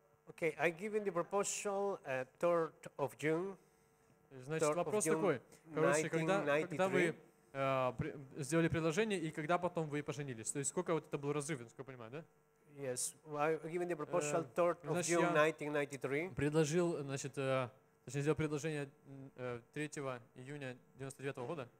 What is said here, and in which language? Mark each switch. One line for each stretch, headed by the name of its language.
English: Okay, I give in the proposal 3rd of June.
Russian: Значит, вопрос такой. Короче, когда вы сделали предложение и когда потом вы поженились? То есть сколько вот это был разрыв, насколько я понимаю, да?
English: Yes, I give in the proposal 3rd of
Russian: значит,
English: June 1993.
Russian: Предложил, значит, точнее, сделал предложение 3 июня 99 года.